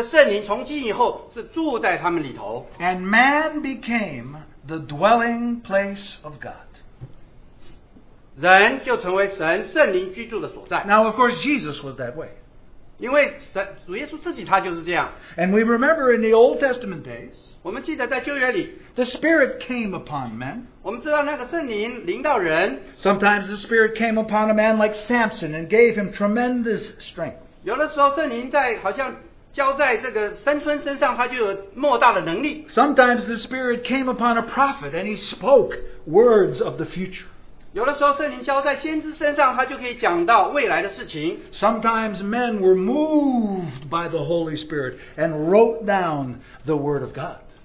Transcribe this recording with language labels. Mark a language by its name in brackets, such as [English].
[Chinese] 就在这五旬节这一天，过去与他们在一起的这圣灵从今以后是住在他们里头, [English] and man became the dwelling place of God. [Chinese] 人就成为神圣灵居住的所在。 [English] Now, of course, Jesus was that way. [Chinese] 因为主耶稣自己他就是这样。 [English] And we remember in the Old Testament days, [Chinese] 我们记得在旧约里, [English] the Spirit came upon men. [Chinese] 我们知道那个圣灵临到人, [English] sometimes the Spirit came upon a man like Samson and gave him tremendous strength. [Chinese] 有的时候圣灵在好像 交在这个山村身上，他就有莫大的能力。 [English] Sometimes the Spirit came upon a prophet and he spoke words of the future. [Chinese] 有的时候圣灵交在先知身上，他就可以讲到未来的事情。 [English] Sometimes men were moved by the Holy Spirit and wrote down the word of God.